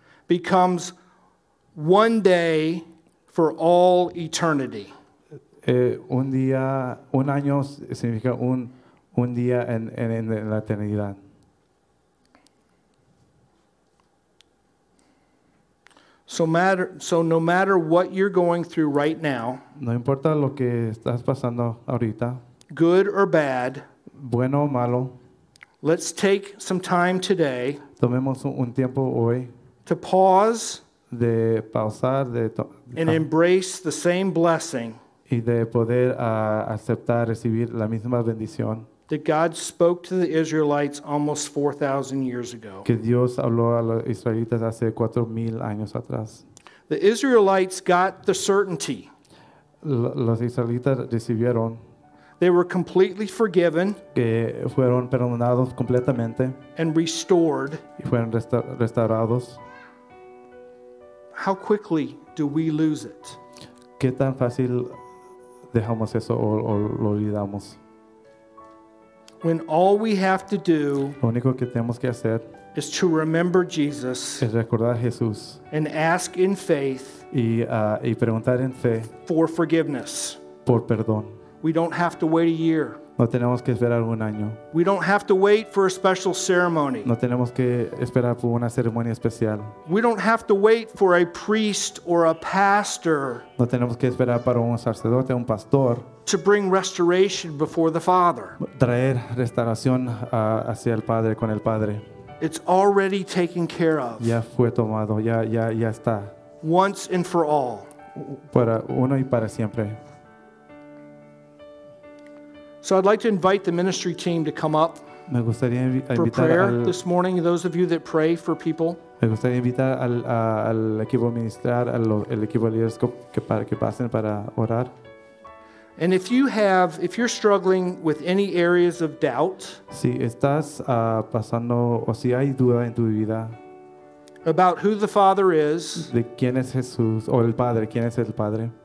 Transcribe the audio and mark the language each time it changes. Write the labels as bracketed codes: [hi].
[en] becomes one day for all eternity. [es] Un día, un año significa un día en la eternidad. [en] So no matter what you're going through right now, [es] no importa lo que estás pasando ahorita, [en] good or bad, [es] bueno o malo, [en] Let's take some time today. [es] Tomemos un tiempo hoy. [en] To pause. [es] De pausar, de [en] and embrace the same blessing. [es] Y de poder aceptar recibir la misma bendición. [en] That God spoke to the Israelites almost 4,000 years ago. [es] Que Dios habló a los israelitas hace 4,000 años atrás. [en] The Israelites got the certainty. [es] Los israelitas recibieron. [en] They were completely forgiven. [es] Que fueron perdonados completamente. [en] And restored. [es] Y fueron restaurados. [en] How quickly do we lose it? [es] ¿Qué tan fácil dejamos eso o lo olvidamos? [en] When all we have to do, [es] lo único que tenemos que hacer, [en] is to remember Jesus, [es] es recordar a Jesús, [en] and ask in faith, [es] y preguntar en fe, [en] for forgiveness, [es] por perdón. [en] We don't have to wait a year. [es] No tenemos que esperar un año. [en] We don't have to wait for a special ceremony. [es] No tenemos que esperar por una ceremonia especial. [en] We don't have to wait for a priest or a pastor. [es] No tenemos que esperar para un sacerdote, un pastor. [en] To bring restoration before the Father. [es] Traer restauración hacia el Padre con el Padre. [en] It's already taken care of. [es] Ya fue tomado. Ya está. [en] Once and for all. [es] Para uno y para siempre. [en] So I'd like to invite the ministry team to come up for prayer this morning. Those of you that pray for people. [es] Me gustaría invitar al equipo ministrar, al equipo liderazgo que pasen para orar. [en] And if you're struggling with any areas of doubt. [es] Si estás pasando o si hay duda en tu vida. [en] About who the Father is. [es] De quién es Jesús o el Padre, quién es el Padre.